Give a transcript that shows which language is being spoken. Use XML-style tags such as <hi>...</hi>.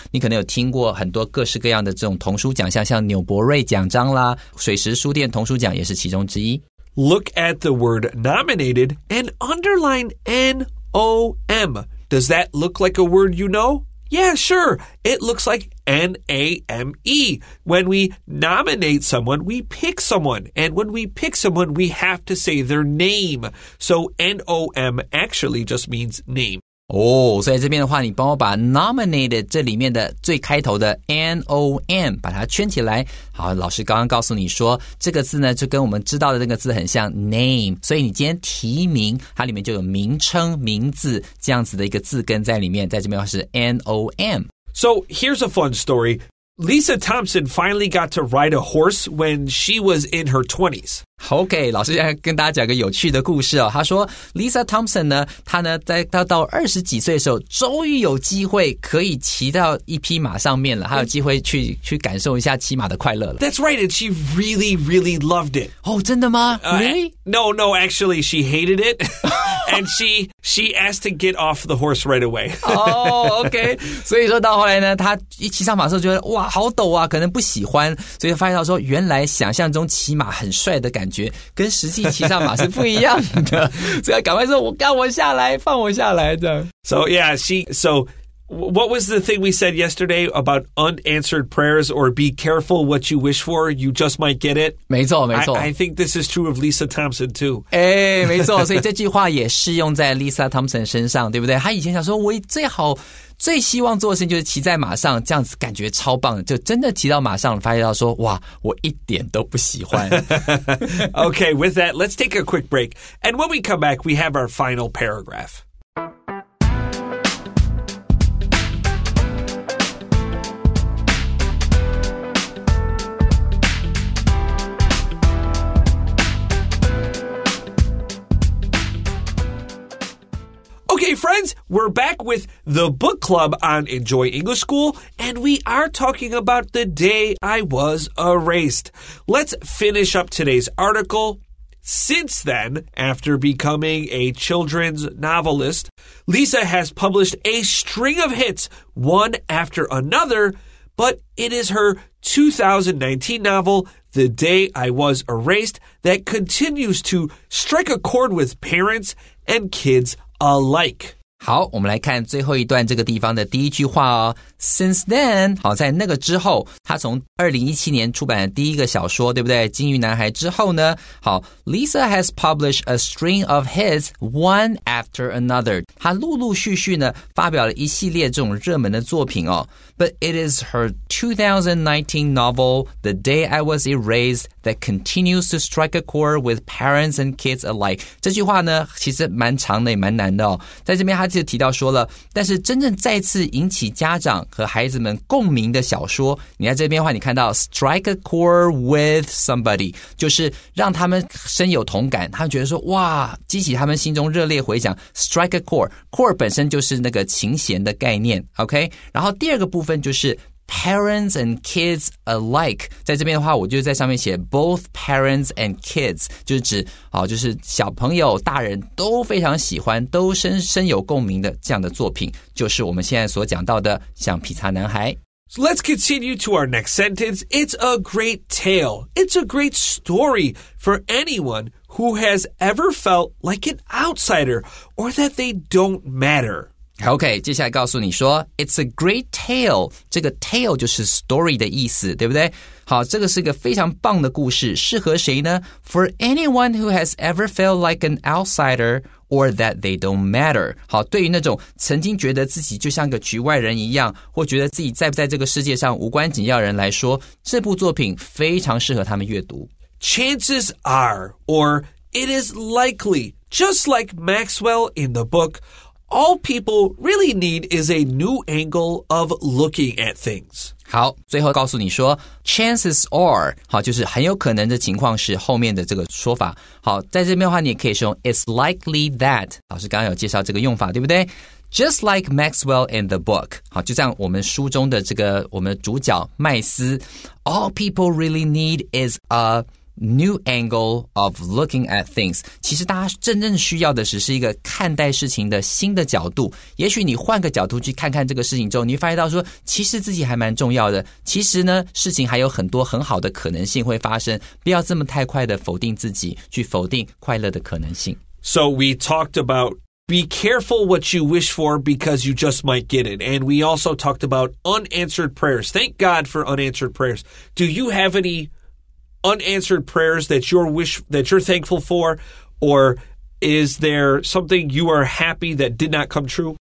<zh>你可能有听过很多各式各样的这种童书奖像纽伯瑞奖章啦水石书店童书奖也是其中之一。</zh> <en>Look at the word nominated and underline N-O-M. Does that look like a word you know? Yeah, sure. It looks like N-A-M-E. When we nominate someone, we pick someone. And when we pick someone, we have to say their name. So N-O-M actually just means name.</en> <zh>哦、oh, 所以这边的话你帮我把 nominated 这里面的最开头的 N-O-M 把它圈起来。好，老师刚刚告诉你说这个字呢就跟我们知道的那个字很像 name， 所以你今天提名它里面就有名称名字这样子的一个字根在里面，在这边的话是 N-O-M。</zh> <en>So here's a fun story. Lisa Thompson finally got to ride a horse when she was in her 20s.</en> <zh>OK， 老师现在跟大家讲个有趣的故事哦。他说 Lisa Thompson 呢，他呢在他到二十几岁的时候终于有机会可以骑到一匹马上面了，他有机会 去感受一下骑马的快乐了。</zh> <en>That's right, and she really really loved it.</en> <zh>哦、oh, 真的吗、really?</zh> <en>No, actually she hated it. And she asked to get off the horse right away.</en> <zh>哦、oh, OK， 所以说到后来呢，他一骑上马的时候觉得哇好陡啊，可能不喜欢，所以发现到说原来想象中骑马很帅的感觉跟实际骑上马是不一样的，所以赶快说，我干我下来，放我下来的。</zh> <en>So yeah, so what was the thing we said yesterday about unanswered prayers or be careful what you wish for, you just might get it?</en> <zh>没错，没错。</zh> <en>I think this is true of Lisa Thompson too.</en> <zh>哎，没错，所以这句话也适用在 Lisa Thompson 身上，对不对？她以前想说，我最好。最希望做的事情就是骑在马上，这样子感觉超棒，就真的骑到马上发现到说哇我一点都不喜欢。</zh> <en>Okay, with that, let's take a quick break. And when we come back, we have our final paragraph. Hey friends, we're back with the book club on Enjoy English School, and we are talking about the day I was erased. Let's finish up today's article. Since then, after becoming a children's novelist, Lisa has published a string of hits, one after another, but it is her 2019 novel, The Day I Was Erased, that continues to strike a chord with parents and kids alike.</en> <zh>好，我们来看最后一段这个地方的第一句话哦。</zh> <en>Since then,</en> <zh>好，在那个之后，他从2017年出版的第一个小说，对不对？金鱼男孩之后呢？好</zh> <en>，Lisa has published a string of hits one after another.</en> <zh>他陆陆续续呢发表了一系列这种热门的作品哦。</zh> <en>But it is her 2019 novel, The Day I Was Erased, that continues to strike a chord with parents and kids alike.</en> <zh>这句话呢，其实蛮长的，也蛮难的哦。在这边，他就提到说了，但是真正再次引起家长和孩子们共鸣的小说，你在这边的话，你看到</zh> <en>strike a chord with somebody，</en> <zh>就是让他们深有同感，他们觉得说哇，激起他们心中热烈回响。</zh> <en>Strike a chord</en> <zh>本身就是那个琴弦的概念 ，OK。然后第二个部分就是</zh> <en>parents and kids alike，</en> <zh>在这边的话，我就在上面写</zh> <en>both parents and kids，</en> <zh>就是指啊、哦，就是小朋友、大人都非常喜欢，都深有共鸣的这样的作品，就是我们现在所讲到的《橡皮擦男孩》。</zh> <en>So let's continue to our next sentence. It's a great tale. It's a great story for anyone who has ever felt like an outsider or that they don't matter.</en> <zh>OK, 接下来告诉你说</zh> <en>It's a great tale.</en> <zh>这个 tale 就是 story 的意思，对不对？好，这个是一个非常棒的故事，适合谁呢？</zh> <en>For anyone who has ever felt like an outsider or that they don't matter.</en> <zh>好，对于那种曾经觉得自己就像个局外人一样，或觉得自己在不在这个世界上无关紧要的人来说，这部作品非常适合他们阅读。</zh> <en>Chances are, or it is likely, just like Maxwell in the book, all people really need is a new angle of looking at things.</en> <zh>好，最后告诉你说</zh> <en>chances are,</en> <zh>好，就是很有可能的情况是后面的这个说法。好，在这边的话你也可以说</zh> <en>it's likely that,</en> <zh>老师刚刚有介绍这个用法，对不对？</zh> <en>Just like Maxwell in the book,</en> <zh>好，就像我们书中的这个我们主角麦斯</zh> <en>all people really need is a new angle of looking at things.</en> <zh>其实大家真正需要的是一个看待事情的新的角度。也许你换个角度去看看这个事情之后，你会发现到说，其实自己还蛮重要的。其实呢，事情还有很多很好的可能性会发生。不要这么太快的否定自己，去否定快乐的可能性。</zh> <en>So we talked aboutBe careful what you wish for because you just might get it. And we also talked about unanswered prayers. Thank God for unanswered prayers. Do you have any unanswered prayers that you're thankful for or Is there something you are happy that did not come true?</en>